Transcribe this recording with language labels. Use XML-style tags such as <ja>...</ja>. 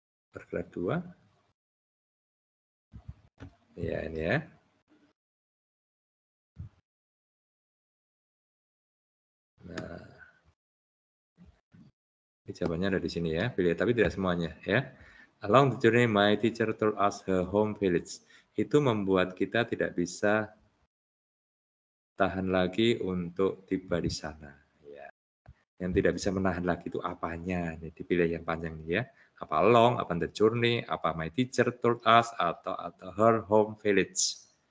<id>Paragraf 2. Ya, ini ya. Nah. Jawabannya ada di sini ya, pilih tapi tidak semuanya ya.</id> <en>Along the journey, my teacher told us her home village.</en> <id>Itu membuat kita tidak bisa tahan lagi untuk tiba di sana. Ya. Yang tidak bisa menahan lagi itu apanya? Ini dipilih yang panjang nih ya. Apa along? Apa</id> <en>the journey?</en> <id>Apa</id> <en>my teacher told us?</en> <id>Atau</id> <en>her home village?</en>